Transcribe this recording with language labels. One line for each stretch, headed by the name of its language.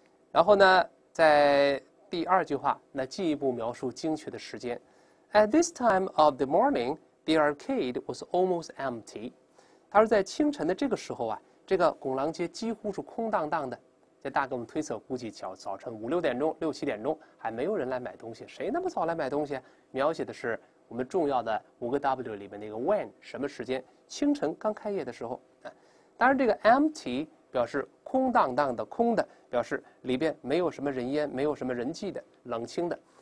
Chinese: 然后呢，在第二句话，那进一步描述精确的时间。
English: At this time of the morning, the arcade was almost empty.
Chinese: 他说在清晨的这个时候啊，这个拱廊街几乎是空荡荡的。这大哥们推测，估计早晨五六点钟、六七点钟还没有人来买东西，谁那么早来买东西？描写的是我们重要的五个 W 里面那个 when 什么时间？清晨刚开业的时候。当然，这个 empty 表示空荡荡的、空的，表示里边没有什么人烟、没有什么人迹的、冷清的。